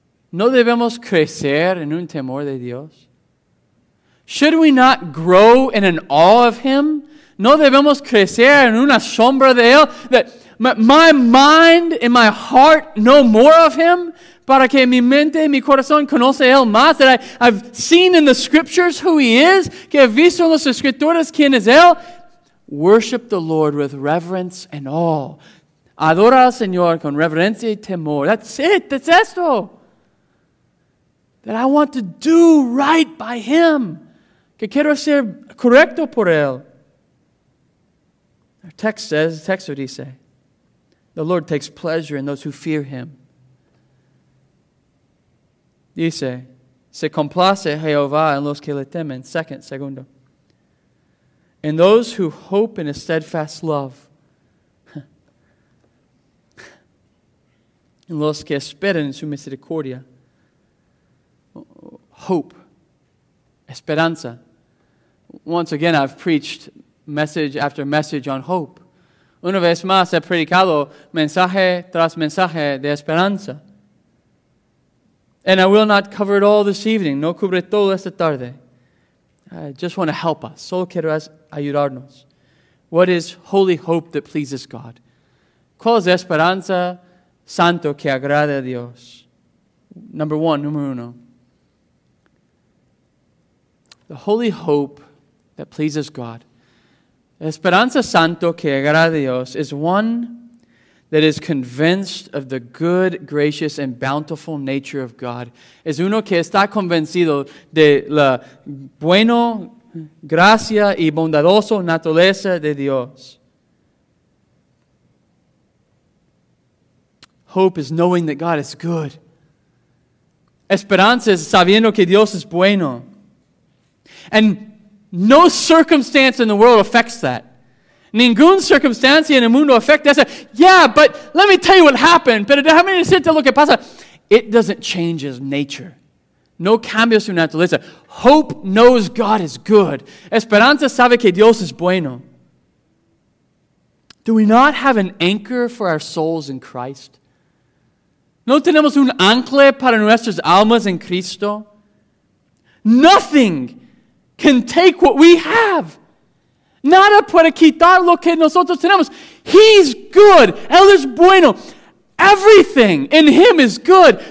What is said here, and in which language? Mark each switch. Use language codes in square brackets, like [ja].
[es] ¿No debemos crecer en un temor de Dios? [en] Should we not grow in an awe of Him? [es] ¿No debemos crecer en una sombra de Él? [en] That my mind and my heart know more of Him? [es] Para que mi mente y mi corazón conoce a Él más? [en] That I've seen in the Scriptures who He is? [es] Que he visto en los Escrituras quién es Él? [en] Worship the Lord with reverence and awe. [es] Adora al Señor con reverencia y temor. [en] That's it. That's esto. That I want to do right by Him. [es] Que quiero ser correcto por Él. [en] Our text says, the text would say, the Lord takes pleasure in those who fear Him. [es] Dice, se complace Jehová en los que le temen. Segundo. [en] In those who hope in a steadfast love. [es] En los que esperan su misericordia. [en] Hope. Esperanza. Once again, I've preached message after message on hope. [es] Una vez más, he predicado mensaje tras mensaje de esperanza. [en] And I will not cover it all this evening. [es] No cubre todo esta tarde. [en] I just want to help us. [es] Solo quiero ayudarnos. [en] What is holy hope that pleases God? [es] ¿Cuál es esperanza santo que agrada a Dios? Número uno. [en] The holy hope that pleases God. [es] Esperanza santo que agrada a Dios [en] is one that is convinced of the good, gracious, and bountiful nature of God. [es] Es uno que está convencido de la bueno, gracia y bondadoso naturaleza de Dios. [en] Hope is knowing that God is good. [es] Esperanza es sabiendo que Dios es bueno. [en] And no circumstance in the world affects that. [es] Ningún circunstancia en el mundo afecta eso. [en] Yeah, but let me tell you what happened. [es] Pero déjame decirte lo que pasa. [en] It doesn't change his nature. [es] No cambia su naturaleza. [en] Hope knows God is good. [es] Esperanza sabe que Dios es bueno. [en] Do we not have an anchor for our souls in Christ? [es] ¿No tenemos un ancla para nuestras almas en Cristo? [en] Nothing can take what we have. [es] Nada puede quitar lo que nosotros tenemos. [en] He's good. [es] Él es bueno. [en] Everything in Him is good.